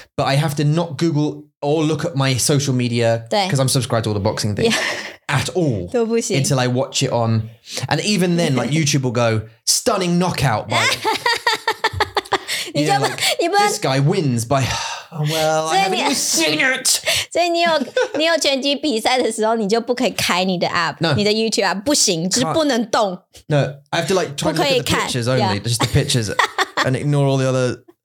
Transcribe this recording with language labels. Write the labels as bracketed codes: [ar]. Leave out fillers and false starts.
[en] But I have to not Google or look at my social media. [zh] 对。 [en] Because I'm subscribed to all the boxing things. Yeah. At all. [zh] 都不行。 [en] Until I watch it on. And even then, like YouTube will go, stunning knockout by. you know, like, 你不要 this guy wins by, well, I haven't even seen it. [zh] 所以你有拳击比赛的时候，你就不可以开你的 app， [en] no, [zh] 你的 YouTube app 不行，就是不能动。 [en] No, I have to like try to look at the pictures only,、 just the pictures, and ignore all the other.